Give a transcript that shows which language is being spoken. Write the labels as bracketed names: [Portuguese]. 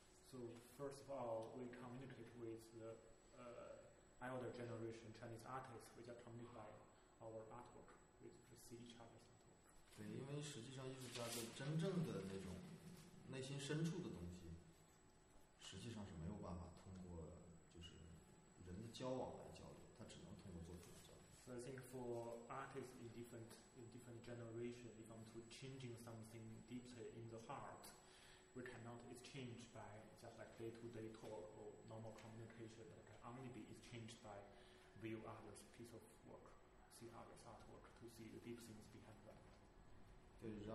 [English] So first of all, we communicate with the elder generation Chinese artists. We just communicate by our artwork. We just see each other's artwork. [Chinese] 对，因为实际上艺术家的真正的那种内心深处的东西，实际上是没有办法通过就是人的交往来交流，他只能通过作品交流。 [English] So I think for artists in different generation, if I'm to changing something deeply in the heart, we cannot exchange by just like day-to-day talk or normal communication. That can only be exchanged by view others' piece of work, see others' artwork, to see the deep things behind that.